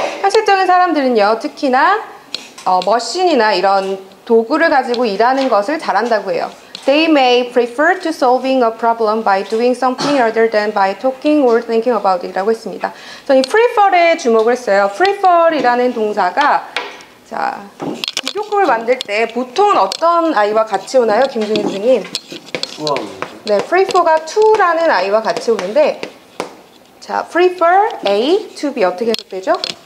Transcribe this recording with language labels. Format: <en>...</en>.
<ko>현실적인 사람들은요, 특히나 머신이나 이런 도구를 가지고 일하는 것을 잘한다고 해요.</ko> <en>They may prefer to solving a problem by doing something other than by talking or thinking about it</en> <ko>라고 했습니다. 저는 이 prefer에 주목을 했어요. prefer이라는 동사가 자 비교급을 만들 때 보통은 어떤 아이와 같이 오나요? 김준희 선생님. 네, prefer가 to라는 아이와 같이 오는데 자 prefer A to B 어떻게 해석되죠?</ko>